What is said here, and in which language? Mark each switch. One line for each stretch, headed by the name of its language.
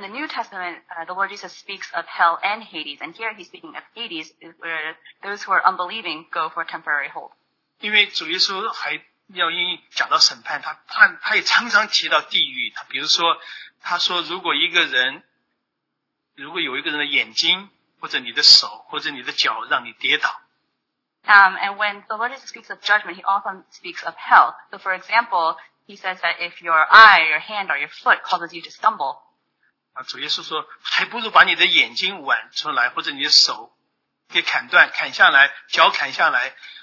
English: in the New Testament, the Lord Jesus speaks of hell and Hades, and here he's speaking of Hades, where those who are unbelieving go for a temporary hold.
Chinese: 因为主耶稣还要因讲到审判，他也常常提到地狱。他比如说，他说如果一个人，如果有一个人的眼睛或者你的手或者你的脚让你跌倒。
English: And when the Lord Jesus speaks of judgment, he often speaks of hell. So for example, he says that if your eye, your hand, or your foot causes you to stumble.
Chinese: 主耶稣说，还不如把你的眼睛剜出来，或者你的手给砍断，砍下来，脚砍下来。